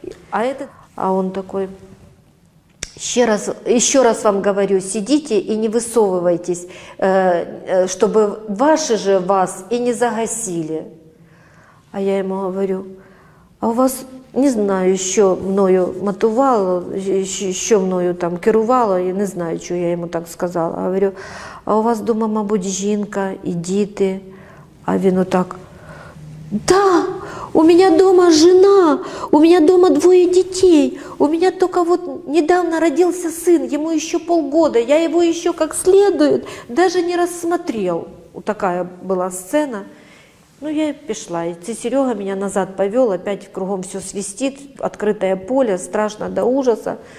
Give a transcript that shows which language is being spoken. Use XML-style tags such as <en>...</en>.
<ru>А он такой: Еще раз вам говорю, сидите и не высовывайтесь, чтобы ваши же вас и не загасили». А я ему говорю:</ru> <uk>«А у вас, не знаю, що мною матувало, що мною там керувало, я не знаю, що я йому так сказала». А говорю: «А у вас дома, мабуть, жінка і діти?» А він отак: «Да!</uk> <ru>У меня дома жена, у меня дома двое детей, у меня только вот недавно родился сын, ему еще полгода, я его еще как следует даже не рассмотрел». Вот такая была сцена. Ну,</ru> <uk>я пішла,</uk> <ru>и це Серега меня назад повел, опять кругом все свистит, открытое поле, страшно до ужаса.</ru>